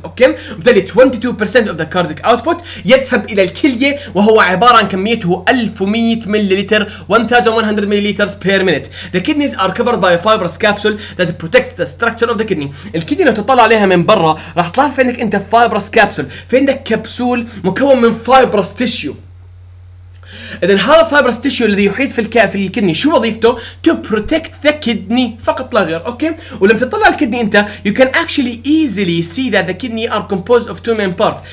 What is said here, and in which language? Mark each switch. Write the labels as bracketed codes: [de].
[ar] اوكي، وبالتالي 22% [en] of the cardiac output [ar] يذهب الى الكليه وهو عباره عن كميته 1100 مللتر 1100 مللتر [en] per minute. The kidneys are covered by a fibrous capsule that protects the structure of the kidney. [ar] الكدني لو تطلع عليها من برا راح تطلع في عندك انت fibrous capsule، في عندك كبسول مكون من fibrous tissue. اذا هذا الفايبرس تيشيو الذي يحيط في الكاف في الكدني شو وظيفته؟ [en] to protect the kidney [ar] فقط لا غير. [en] okay, [ar] ولما تطلع الكدني انت [en] You can actually easily see that the kidney are compose of two main parts.